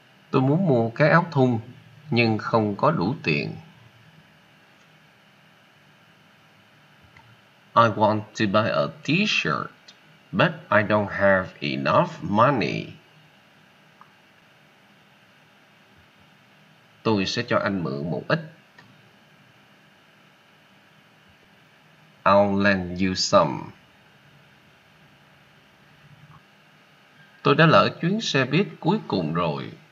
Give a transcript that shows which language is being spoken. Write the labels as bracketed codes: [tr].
[vi] Tôi muốn mua cái áo thun nhưng không có đủ tiền. [en] I want to buy a t-shirt, but I don't have enough money. [vi] Tôi sẽ cho anh mượn một ít. [en] I'll lend you some. [vi] Tôi đã lỡ chuyến xe buýt cuối cùng rồi.